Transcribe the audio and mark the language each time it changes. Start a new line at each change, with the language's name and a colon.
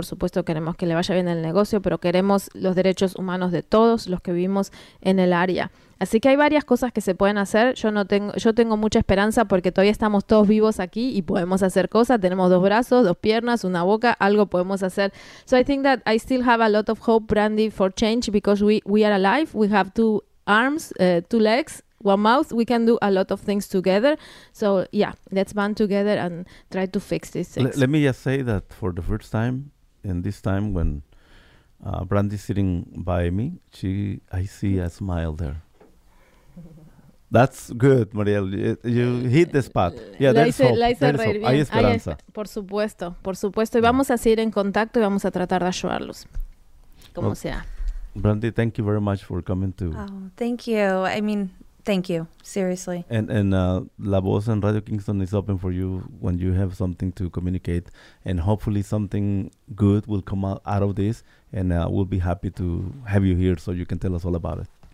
Spanish: Por supuesto queremos que le vaya bien el negocio, pero queremos los derechos humanos de todos los que vivimos en el área. Así que hay varias cosas que se pueden hacer. Yo tengo mucha esperanza porque todavía estamos todos vivos aquí y podemos hacer cosas. Tenemos dos brazos, dos piernas, una boca, algo podemos hacer.
English: So I think that I still have a lot of hope, Brandy, for change, because we are alive. We have two arms, two legs, one mouth. We can do a lot of things together. So yeah, let's band together and try to fix these things. Let me just say that for the first time in this time, when Brandy's sitting by me, I see a smile there. That's good, Mariel. You hit the spot. Yeah, there's hope.
Spanish: La hice reír bien. Hay esperanza. Por supuesto, por supuesto. Y vamos a seguir en contacto y vamos a tratar de ayudarlos, como sea.
English: Brandy, thank you very much for coming to. Oh, thank you. I mean, thank you. Seriously. And La Voz and Radio Kingston is open for you when you have something to communicate. And hopefully something good will come out of this. And we'll be happy to have you here so you can tell us all about it.